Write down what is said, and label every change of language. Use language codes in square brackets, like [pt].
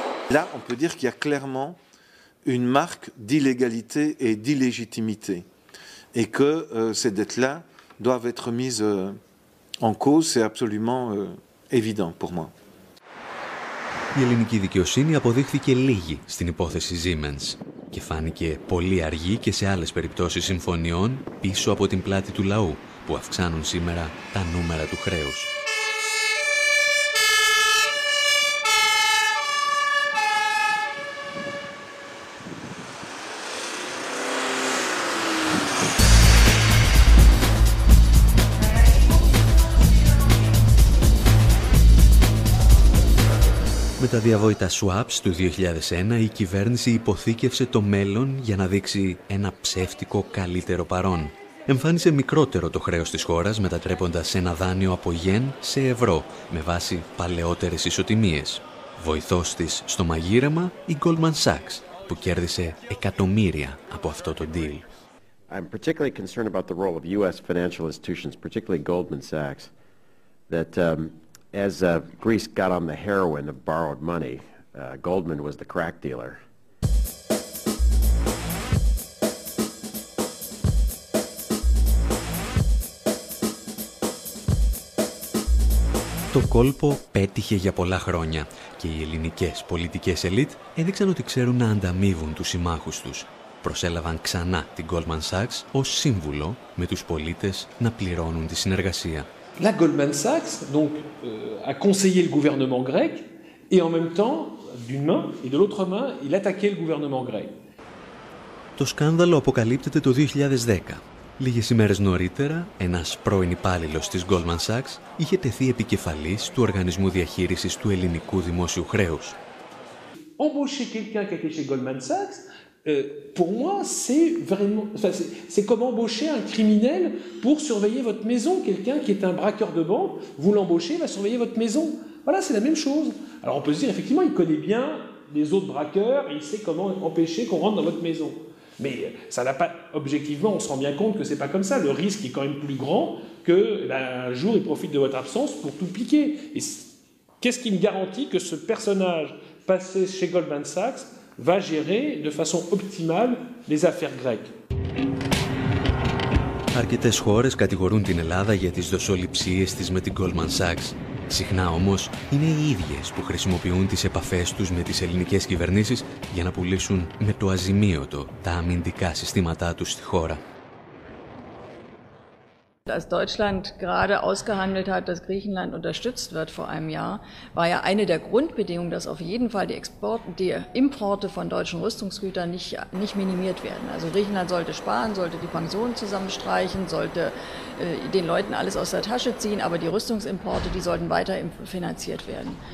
[fr] Là, on peut dire qu'il y a clairement une marque d'illégalité et d'illégitimité et que ces dettes-là doivent être mises en cause, c'est absolument évident pour moi. [el] Η ελληνική δικαιοσύνη αποδείχθηκε λίγη στην υπόθεση Siemens και φάνηκε πολύ αργή και σε άλλες περιπτώσεις συμφωνιών πίσω από την πλάτη του λαού που αυξάνουν σήμερα τα νούμερα του χρέους. Με τα διαβόητα swaps του 2001, η κυβέρνηση υποθήκευσε το μέλλον για να δείξει ένα ψεύτικο καλύτερο παρόν. Εμφάνισε μικρότερο το χρέος της χώρας, μετατρέποντας ένα δάνειο από γεν σε ευρώ, με βάση παλαιότερες ισοτιμίες. Βοηθός της στο μαγείρεμα, η Goldman Sachs, που κέρδισε εκατομμύρια από αυτό το deal. [en] I'm particularly concerned about the role of U.S. financial institutions, particularly Goldman Sachs, that as Greece got on the heroin of borrowed money, Goldman was the crack dealer. [el] Το κόλπο πέτυχε για πολλά χρόνια και οι ελληνικές πολιτικές ελίτ έδειξαν ότι ξέρουν να ανταμείβουν τους συμμάχους τους. Προσέλαβαν ξανά την Goldman Sachs ως σύμβουλο με τους πολίτες να πληρώνουν τη συνεργασία. [fr] La Goldman Sachs donc a conseillé le gouvernement grec et en même temps d'une main et de l'autre main il attaquait le gouvernement grec. [el] Το σκάνδαλο αποκαλύπτεται το 2010. Λίγες ημέρες νωρίτερα, ένας πρώην υπάλληλος της Goldman Sachs είχε τεθεί επικεφαλής του Οργανισμού Διαχείρισης του Ελληνικού Δημόσιου Χρέους. [fr] Embaucher quelqu'un qui était chez Goldman Sachs, pour moi, c'est vraiment, enfin, c'est comme embaucher un criminel pour surveiller votre maison. Quelqu'un qui est un braqueur de banque, vous l'embauchez, va surveiller votre maison. Voilà, c'est la même chose. Alors on peut se dire, effectivement, il connaît bien les autres braqueurs, il sait comment empêcher qu'on rentre dans votre maison. Mais ça n'a pas, objectivement, on se rend bien compte que ce n'est pas comme ça. Le risque est quand même plus grand qu'un jour, il profite de votre absence pour tout piquer. Et qu'est-ce qui me garantit que ce personnage passé chez Goldman Sachs va gérer de façon optimale les affaires grecques ? [el] Αρκετές χώρες κατηγορούν την Ελλάδα για τις δοσοληψίες της με την Goldman Sachs. Συχνά όμως είναι οι ίδιες που χρησιμοποιούν τις επαφές τους με τις ελληνικές κυβερνήσεις για να πουλήσουν με το αζημίωτο τα αμυντικά συστήματά τους στη χώρα. [de] Dass Deutschland gerade ausgehandelt hat, dass Griechenland unterstützt wird vor einem Jahr, war ja eine der Grundbedingungen, dass auf jeden Fall die Importe von deutschen Rüstungsgütern nicht minimiert werden. Also Griechenland sollte sparen, sollte die Pensionen zusammenstreichen, sollte den Leuten alles aus der Tasche ziehen, aber die Rüstungsimporte, die sollten weiter finanziert werden.